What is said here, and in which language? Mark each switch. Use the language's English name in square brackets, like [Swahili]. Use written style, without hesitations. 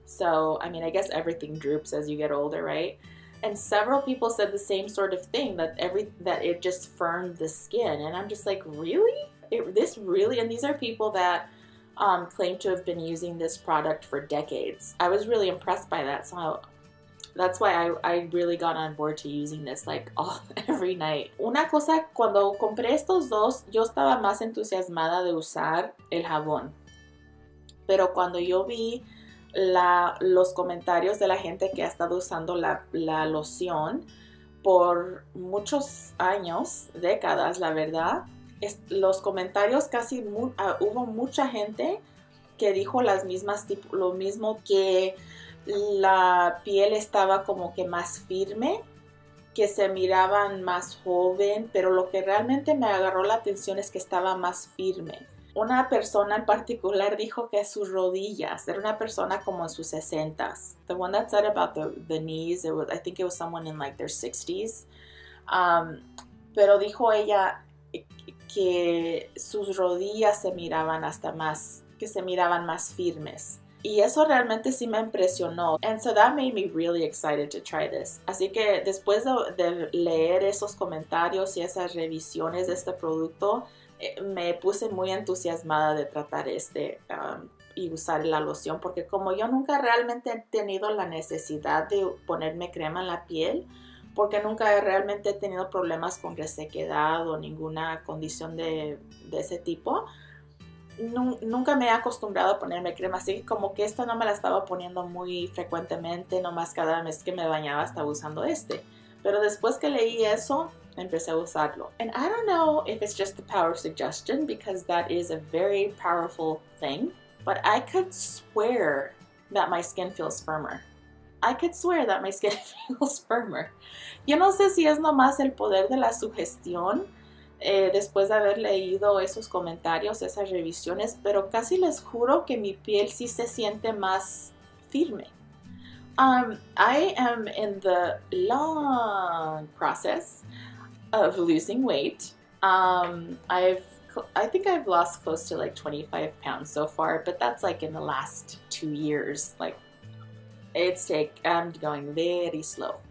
[English] So I mean I guess everything droops as you get older, right? And several people said the same sort of thing that it just firmed the skin. And I'm just like, really? This really? And these are people that claim to have been using this product for decades. I was really impressed by that. So that's why I really got on board to using this like every night. [Spanish] Una cosa, cuando compré estos dos, yo estaba más entusiasmada de usar el jabón. Pero cuando yo vi los comentarios de la gente que ha estado usando la loción por muchos años, décadas, la verdad, los comentarios casi mu hubo mucha gente que dijo las mismas tipo lo mismo que la piel estaba como que más firme, que se miraban más joven, pero lo que realmente me agarró la atención es que estaba más firme. Una persona en particular dijo que sus rodillas, era una persona como en sus 60s. [English] The one that said about the knees, I think it was someone in like their 60s. [Spanish] Pero dijo ella que sus rodillas se miraban hasta más, que se miraban más firmes. Y eso realmente sí me impresionó. [English] And so that made me really excited to try this. [Spanish] Así que después de leer esos comentarios y esas revisiones de este producto, me puse muy entusiasmada de tratar este y usar la loción, porque como yo nunca realmente he tenido la necesidad de ponerme crema en la piel, porque nunca realmente he tenido problemas con resequedad o ninguna condición de ese tipo. Nunca me he acostumbrado a ponerme crema, así que como que esta no me la estaba poniendo muy frecuentemente, nomás cada vez que me bañaba estaba usando este. Pero después que leí eso, empecé a usarlo. [English] And I don't know if it's just the power of suggestion, because that is a very powerful thing, but I could swear that my skin feels firmer. I could swear that my skin feels firmer. [Spanish] Yo no sé si es nomás el poder de la sugestión. Después de haber leído esos comentarios, esas revisiones, pero casi les juro que mi piel sí se siente más firme. [English] I am in the long process of losing weight. I think I've lost close to like 25 pounds so far, but that's like in the last 2 years. Like, I'm going very slow.